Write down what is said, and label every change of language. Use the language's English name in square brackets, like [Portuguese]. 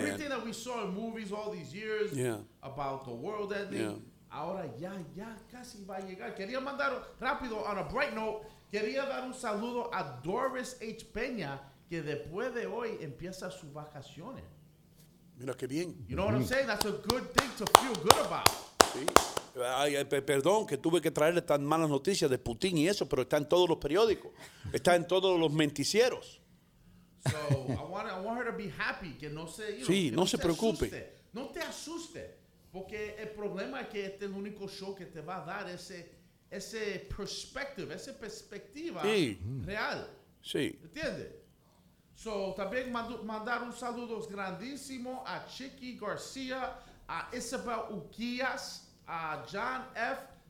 [English] Everything that we saw in movies all these years about the world ending, [Spanish] ahora ya casi va a llegar. Quería mandar rápido, [English] on a bright note, [Spanish] quería dar un saludo a Doris H. Peña, que después de hoy empieza sus vacaciones. Mira qué bien. [English] You know what I'm saying? That's a good thing to feel good about. [Spanish] Sí. Perdón que tuve que traerle tan malas noticias de Putin y eso, pero está en todos los periódicos. Está en todos los menticieros. [English] So I want her to be happy, [Spanish] que no se, [English] you know, [Spanish] sí, que no se preocupe. Asuste. No te asuste, porque el problema es que este es el único show que te va a dar ese perspective, esa perspectiva real. Sí. ¿Entiendes? So también mandar un saludo grandísimo a Chiqui García, a Isabel Uquías, a John F.